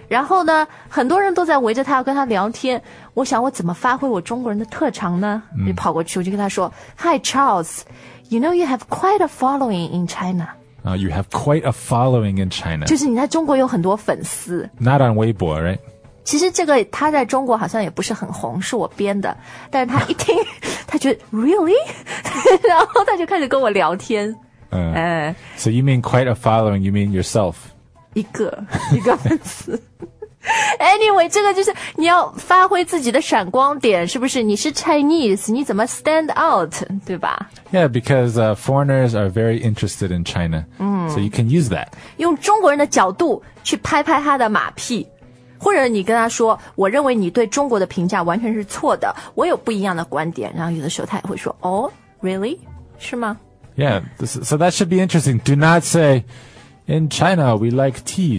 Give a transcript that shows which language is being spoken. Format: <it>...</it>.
<zh>然后呢很多人都在围着他要跟他聊天我想我怎么发挥我中国人的特长呢、就跑过去我就跟他说</zh> <en>Hi Charles, you know you have quite a following in China. You have quite a following in China.</en> <zh>就是你在中国有很多粉丝。</zh> <en>Not on Weibo, right?</en> <zh>其实这个他在中国好像也不是很红是我编的但是他一听他觉得</zh> <en>Really?</en> <zh>然后他就开始跟我聊天。</zh> <en>So you mean quite a following, you mean yourself?</en> <zh>一个粉丝。</zh> <en>Anyway,</en> <zh>这个就是你要发挥自己的闪光点是不是你是 Chinese, 你怎么</zh> <en>stand out,</en> <zh>对吧</zh> <en>Yeah, because foreigners are very interested in China, so you can use that.</en> <zh>用中国人的角度去拍拍他的马屁或者你跟他说我认为你对中国的评价完全是错的我有不一样的观点然后有的时候他也会说</zh> <en>Oh, really?</en> <zh>是吗</zh> <en>Yeah, so that should be interesting. Do not say, in China, we like tea.</en>